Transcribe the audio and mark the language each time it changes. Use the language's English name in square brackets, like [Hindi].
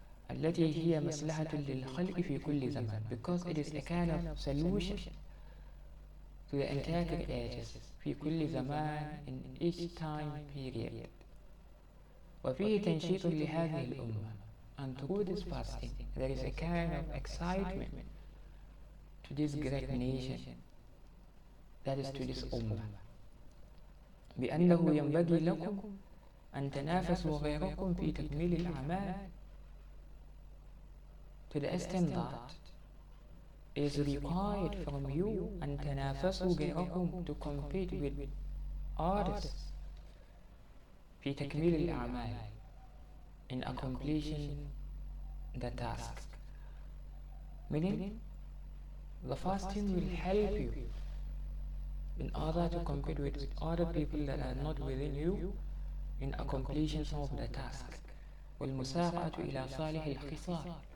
[Arabic] الَّتِي هِيَ مَسْلَحَةٌ لِلْخَلْقِ فِي كُلِّ زَمَنٍ. [English] Because it is a kind of solution to the entire ages, [Arabic] في كل زمان, [English] in each time period. [Arabic] وفيه تنشيط لهذه الأمة. [English] And through this fasting, there is a kind of excitement to this great nation, that is to this أمة. [Arabic] بأنه ينبغي لكم أن تنافسوا غيركم في تكميل الأعمال. [English] To the extent that it is required from you and [Arabic] تنافسوا غيركم, [English] to compete with others [Arabic] في تكميل الأعمال, [English] in accomplishing the task. Meaning, the fasting will help you in order to compete with other people that are not within you in accomplishing some of the task. [Arabic] والمساقة إلى صالح الخصال.